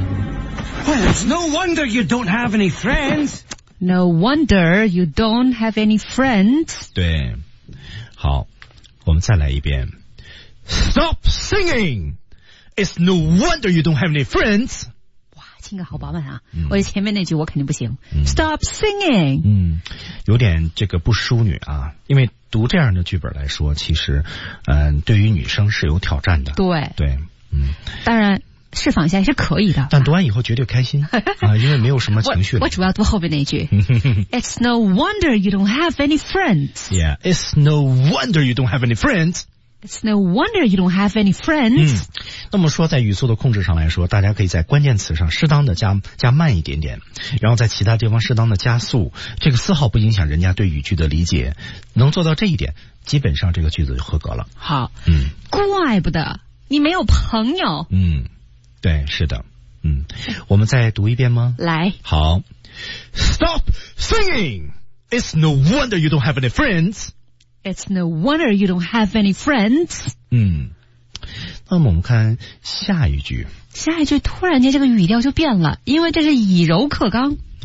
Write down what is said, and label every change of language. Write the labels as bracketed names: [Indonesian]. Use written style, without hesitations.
[English] Well, it's no wonder you don't have any friends. No wonder you don't have any friends. [Chinese] 对，好，我们再来一遍。 [English] Stop singing. It's no wonder you don't have any friends. [Chinese] 哇，听个好饱满啊！我前面那句我肯定不行。 [English] Stop singing. [Chinese] 有点这个不淑女啊，因为读这样的剧本来说，其实，对于女生是有挑战的。对对，当然释放一下是可以的，但读完以后绝对开心啊，因为没有什么情绪了。我主要读后面那句。 [English] It's no wonder you don't have any friends. Yeah, it's no wonder you don't have any friends. It's no wonder you don't have any friends. [Chinese] 那么说在语速的控制上来说，大家可以在关键词上适当的加慢一点点，然后在其他地方适当的加速，这个丝毫不影响人家对语句的理解，能做到这一点，基本上这个句子就合格了。好，怪不得你没有朋友。对，是的。我们再读一遍吗？来。 [English] 好。Stop singing! It's no wonder you don't have any friends. It's no wonder you don't have any friends. [Chinese] 那么我们看下一句。下一句突然间这个语调就变了，因为这是以柔克刚。